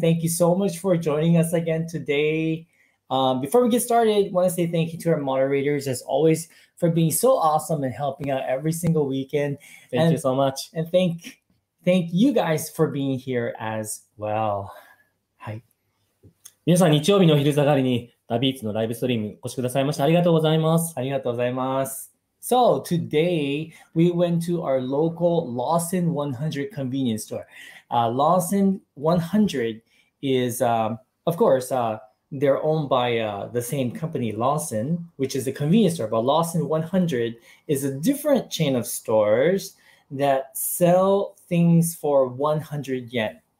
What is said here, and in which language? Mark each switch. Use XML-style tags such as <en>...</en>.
<en>Thank you so much for joining us again today. Before we get started, I want to say thank you to our moderators, as always, for being so awesome and helping out every single weekend. Thank you so much. And thank you guys for being here as well. Hi.</en> <ja>皆さん、日曜日の昼下がりにダビーツのライブストリーム、お越しくださいました。ありがとうございます。ありがとうございます。</ja> <en>So today we went to our local Lawson 100 convenience store. Lawson 100 is, of course, they're owned by the same company, Lawson, which is a convenience store. But Lawson 100 is a different chain of stores that sell things for 100 yen.</en>